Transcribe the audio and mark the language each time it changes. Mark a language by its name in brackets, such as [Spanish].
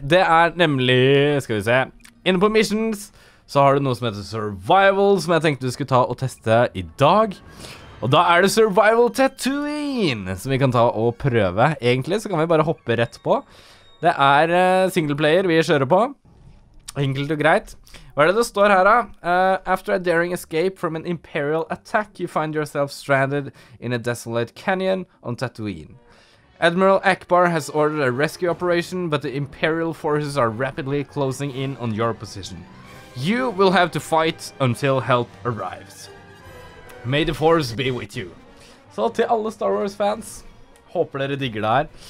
[Norwegian] Det er nemlig, skal vi se, inne på Missions så har du noe som heter Survival, som jeg tenkte vi skulle ta og teste i dag. Og da er det Survival Tatooine, som vi kan ta og prøve. Egentlig så kan vi bare hoppe rett på. Det er singleplayer vi kjører på. Enkelt og greit. Hva er det det står her da? [English] After a daring escape from an imperial attack, you find yourself stranded in a desolate canyon on Tatooine. Admiral Ackbar has ordered a rescue operation, but the imperial forces are rapidly closing in on your position. You will have to fight until help arrives. May the force be with you. [Norwegian] Så til alle Star Wars fans, håper dere digger det her.